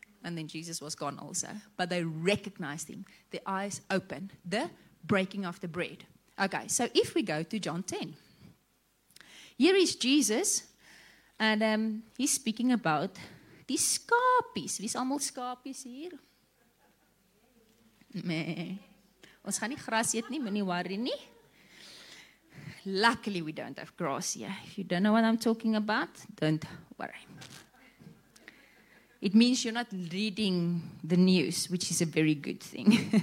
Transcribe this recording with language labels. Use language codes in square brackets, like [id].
[en] And then Jesus was gone also. But they recognized him. Their eyes opened. The breaking of the bread. Okay, so if we go to John 10. Here is Jesus. And he's speaking about [af] die skapies. Wie is almal skapies hier? Nee. Ons gaan nie gras eet nie, moenie worry nie. [en] Luckily we don't have grass here. If you don't know what I'm talking about, don't worry. It means you're not reading the news, which is a very good thing.